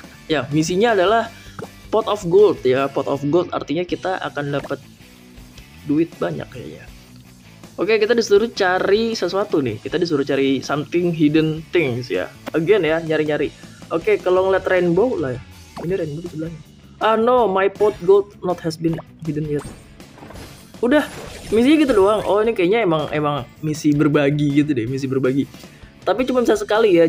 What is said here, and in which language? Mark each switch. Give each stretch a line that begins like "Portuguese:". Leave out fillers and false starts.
Indonesian: Ya, misinya adalah Pot of Gold ya. Pot of Gold artinya kita akan dapat duit banyak ya. Oke, kita disuruh cari sesuatu nih. Kita disuruh cari
English: something hidden things
Indonesian: ya. Again ya, nyari-nyari. Oke, kalau ngeliat rainbow lah ya. Ini rainbow di sebelahnya.
English: Ah no, my pot gold not has been hidden yet.
Indonesian: Udah, misinya gitu doang. Oh, ini kayaknya emang misi berbagi gitu deh, misi berbagi. Tapi cuma bisa sekali ya.